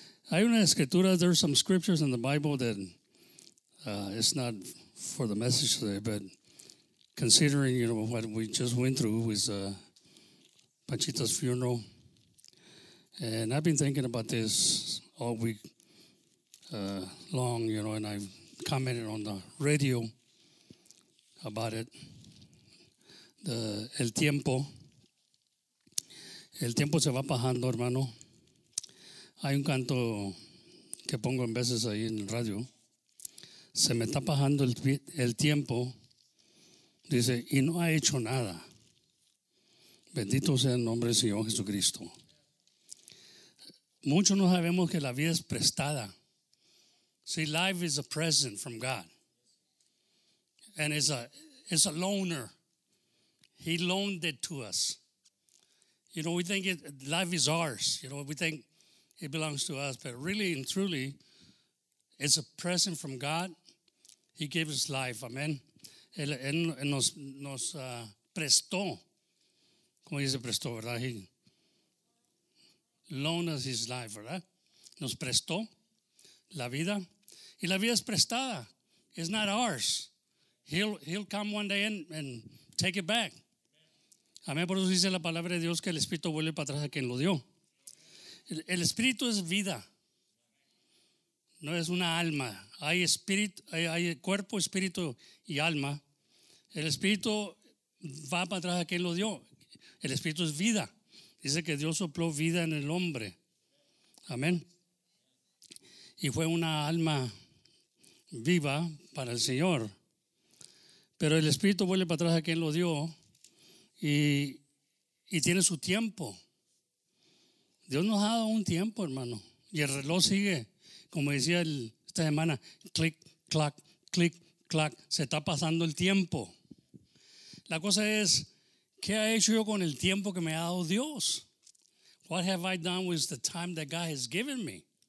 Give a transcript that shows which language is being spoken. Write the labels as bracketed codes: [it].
[es] Hay una escritura, [en] there's some scriptures in the Bible that it's not for the message today, but considering, you know, what we just went through with Panchita's funeral, and I've been thinking about this all week long, you know, and I've commented on the radio about it, [es] el tiempo se va bajando, hermano. Hay un canto que pongo en veces ahí en el radio. Se me está bajando el tiempo. Dice, y no ha hecho nada. Bendito sea el nombre del Señor Jesucristo. Muchos no sabemos que la vida es prestada. [en] See, life is a present from God. And it's a loaner. He loaned it to us. You know, we think life is ours. You know, we think it belongs to us, but really and truly, it's a present from God. He gave us life. [es] Amen. Él nos prestó. ¿Cómo dice prestó, verdad? [en] He loaned us his life, ¿verdad? [es] Nos prestó la vida. Y la vida es prestada. [en] It's not ours. He'll come one day and take it back. [es] Amén. Por eso dice la palabra de Dios que el Espíritu vuelve para atrás a quien lo dio. El espíritu es vida, no es una alma. Hay espíritu, hay cuerpo, espíritu y alma. El espíritu va para atrás a quien lo dio. El espíritu es vida. Dice que Dios sopló vida en el hombre. Amén. Y fue una alma viva para el Señor. Pero el espíritu vuelve para atrás a quien lo dio y tiene su tiempo. Dios nos ha dado un tiempo, hermano. Y el reloj sigue. Como decía esta semana, click, clack, click, clack. Se está pasando el tiempo. La cosa es, ¿qué ha hecho yo con el tiempo que me ha dado Dios? [en] What have I done with the time that God has given me?